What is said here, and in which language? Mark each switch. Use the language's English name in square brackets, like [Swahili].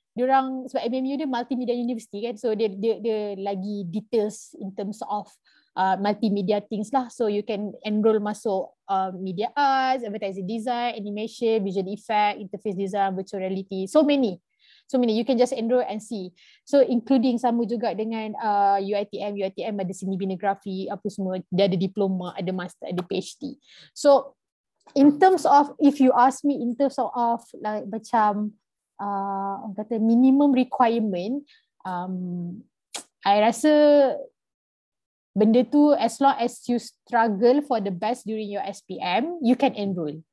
[Malay] diorang sebab [English] MMU dia multimedia university kan, so dia lagi details in terms of multimedia things lah. So you can enroll masuk media arts, advertising design, animation, visual effect, interface design, virtual reality, so many you can just enroll and see. So including [Malay] sama juga dengan UITM ada seni bina grafi apa semua, dia ada diploma, ada master, ada PhD. [English] So in terms of, if you ask me, in terms of like [Malay] macam orang kata [English] minimum requirement, I rasa benda tu, as long as you struggle for the best during your SPM, you can enroll.